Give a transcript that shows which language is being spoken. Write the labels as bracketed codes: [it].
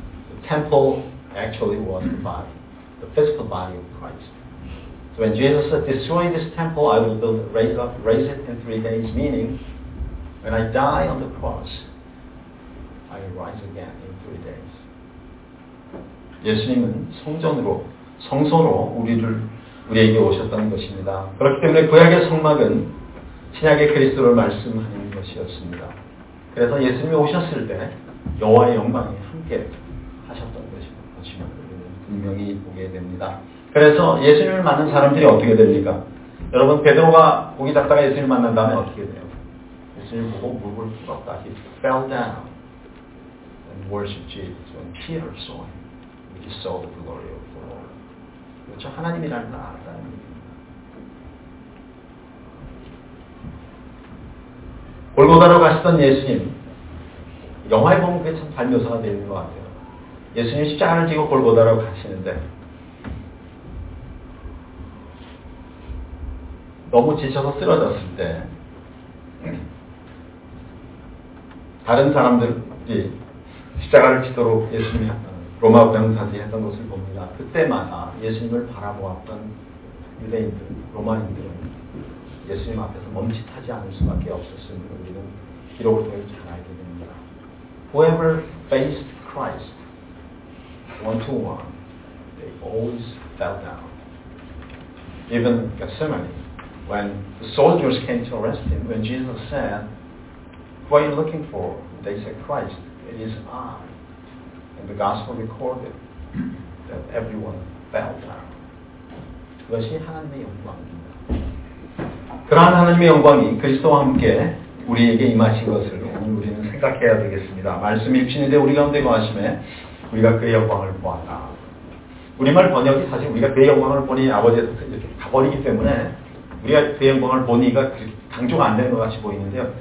[en] The temple actually was the body, the physical body of Christ. So when Jesus said, "Destroy this temple, I will build, raise it in 3 days," meaning, when I die on the cross, I will rise again in 3 days. [ko] 예수님은 성전으로, 성소로 우리에게 오셨다는 것입니다. 그렇기 때문에 구약의 성막은 신약의 그리스도를 말씀하는 것이었습니다. 그래서 예수님이 오셨을 때 여호와의 영광이 함께 하셨던 것입니다. 우리는 분명히 보게 됩니다. 그래서 예수님을 만난 사람들이 어떻게 됩니까? 여러분 베드로가 고기 잡다가 예수님을 만난 다음에 어떻게 돼요? 예수님 보고 무릎을 꿇었다. [en] He fell down and worshiped Jesus. When Peter saw him, he saw the glory of the Lord. [ko] 그렇죠? 하나님이라는 걸 알았다는 얘기입니다. 골고다로 가시던 예수님, 영화에 보면 그게 참 잘 묘사가 되어 있는 것 같아요. 예수님이 십자가를 지고 골고다로 가시는데 너무 지쳐서 쓰러졌을 때 다른 사람들이 십자가를 치도록 예수님이 로마 병사들이 했던 것을 봅니다. 그때마다 예수님을 바라보았던 유대인들, 로마인들은 예수님 앞에서 멈칫하지 않을 수밖에 없었음을 우리는 기록을 통해 잘 알게 됩니다. [en] Whoever faced Christ one to one, they always fell down. Even Gethsemane, when the soldiers came to arrest him, when Jesus said, "Who are you looking for?" They said, "Christ." "It is I." And the gospel recorded that everyone fell down. [ko] 그것이 하나님의 영광입니다. 그러한 하나님의 영광이 그리스도와 함께 우리에게 임하신 것을 오늘 우리는 생각해야 되겠습니다. 말씀이 입신인데 우리 가운데 거하심에 우리가 그의 영광을 보았다. 우리말 번역이 사실 우리가 그의 영광을 보니 아버지에서 이렇게 가버리기 때문에 우리가 그의 영광을 보니가 강조가 안 되는 것 같이 보이는데요.